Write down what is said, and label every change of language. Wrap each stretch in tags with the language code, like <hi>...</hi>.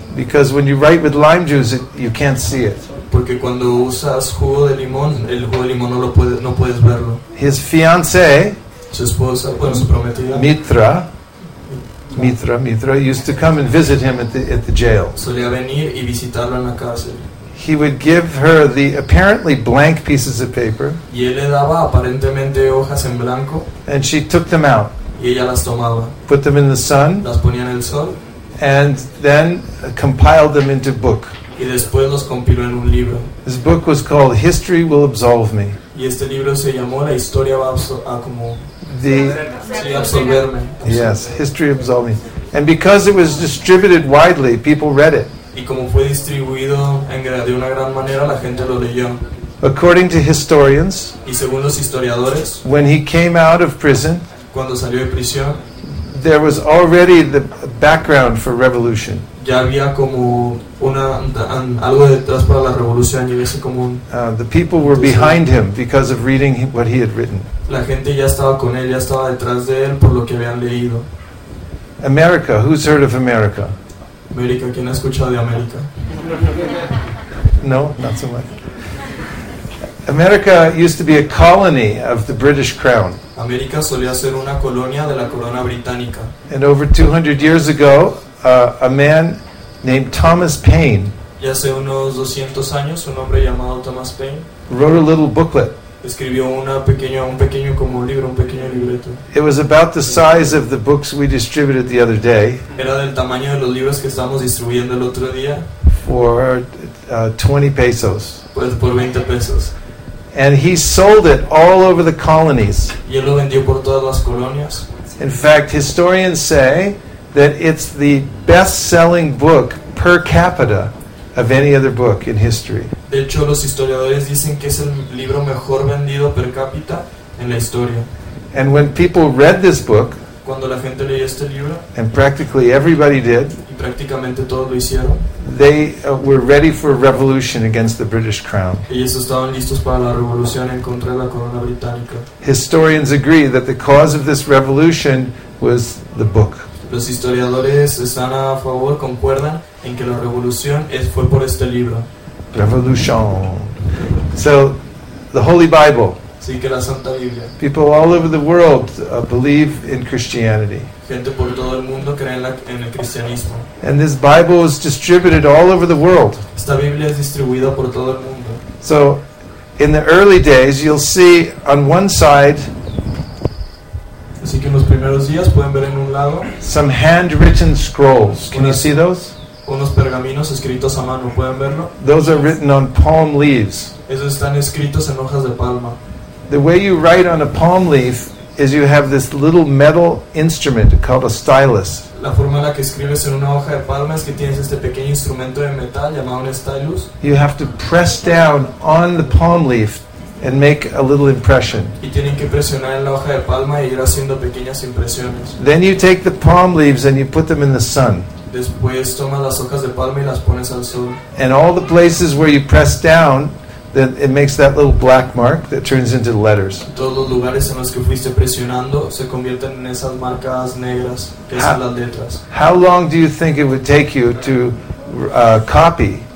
<en>Because when you write with lime juice, you can't see it.</en> <es>Porque cuando usas jugo de limón, el jugo de limón no puedes verlo.</es> <en>His fiance,</en> <es>su esposa, bueno, su prometida,</es> <en>Mitra, used to come and visit him at the jail.</en> <es>Solía venir y visitarlo en la cárcel.</es> <en>He would give her the apparently blank pieces of paper.</en> <es>Y él le daba aparentemente hojas en blanco.</es> <en>And she took them out.</en> <es>Y ella las tomaba.</es> <en>Put them in the sun.</en> <es>Las ponía en el sol.</es> <en>And then compiled them into book.</en> <es>Y después los compiló en un libro.</es> <en>This book was called History Will Absolve Me.</en> <es>Y este libro se llamó La Historia va a como</es> <en>the,</en> <es>sí, absolverme.</es> <en>Yes, History Absolve Me. And because it was distributed widely, people read it.</en> <es>Y como fue distribuido de una gran manera, la gente lo leyó.</es> <en>According to historians,</en> <es>y según los historiadores,</es> <en>when he came out of prison,</en> <es>cuando salió de prisión,</es> <en>there was already the background for revolution.</en> <es>Ya había como algo detrás para la revolución, y ese como</es> <en>the people were behind him because of reading what he had written.</en> <es>La gente ya estaba con él, ya estaba detrás de él por lo que habían leído.</es> <en>America, who's heard of America?</en> <es>América, ¿quién ha escuchado de América?</es> <en>No, not so much. America used to be a colony of the British Crown.</en> <es>América solía ser una colonia de la corona británica.</es> <en>And over 200 years ago, a man named Thomas Paine.</en> <es>Y hace unos 200 años, un hombre llamado Thomas Paine.</es> <en>Wrote a little booklet.</en> <es>Escribió un pequeño como libro, un pequeño libreto.</es> <en>It was about the size of the books we distributed the other day.</en> <es>Era del tamaño de los libros que estábamos distribuyendo el otro día.</es> <en>For 20 pesos.</en> <es>Pues por 20 pesos.</es> <en>And he sold it all over the colonies.</en> <es>Y él lo vendió por todas las colonias.</es> <en>In fact, historians say that it's the best-selling book per capita of any other book in history.</en> <es>De hecho, los historiadores dicen que es el libro mejor vendido per cápita en la historia.</es> <en>And when people read this book,</en> <es>cuando la gente leyó este libro,</es> <en>and practically everybody did,</en> <es>y prácticamente todos lo hicieron,</es> <en>they were ready for a revolution against the British crown.</en> <es>Ellos estaban listos para la revolución en contra de la corona británica.</es> <en>Historians agree that the cause of this revolution was the book.</en> <es>Los historiadores están a favor, concuerdan en que la revolución fue por este libro.</es> <en>Revolution. So, the Holy Bible.</en> <es>Sí, que la Santa Biblia.</es> <en>People all over the world believe in Christianity.</en> <es>Gente por todo el mundo cree en el cristianismo.</es> <en>And this Bible is distributed all over the world.</en> <es>Esta Biblia es distribuida por todo el mundo.</es> <en>So, in the early days, you'll see on one side,</en> <es>así que en los primeros días pueden ver en un lado,</es> <en>some handwritten scrolls. Can you see those?</en> <es>Unos pergaminos escritos a mano, ¿pueden verlo?</es> <en>Those are written on palm leaves.</en> <es>Esos están escritos en hojas de palma.</es> <en>The way you write on a palm leaf is you have this little metal instrument called a stylus.</en> <es>La forma en la que escribes en una hoja de palma es que tienes este pequeño instrumento de metal llamado un stylus.</es> <en>You have to press down on the palm leaf and make a little impression.</en> <es>Y tienen que presionar en la hoja de palma y ir haciendo pequeñas impresiones.</es> <en>Then you take the palm leaves and you put them in the sun.</en> <es>Después toma las hojas de palma y las pones al sol.</es> <en>And all the places where you press down, then it makes that little black mark that turns into letters.</en> <es>Todos los lugares en los que fuiste presionando se convierten en esas marcas negras que son las letras.</es> <en>How long do you think it would take you to copy?</en>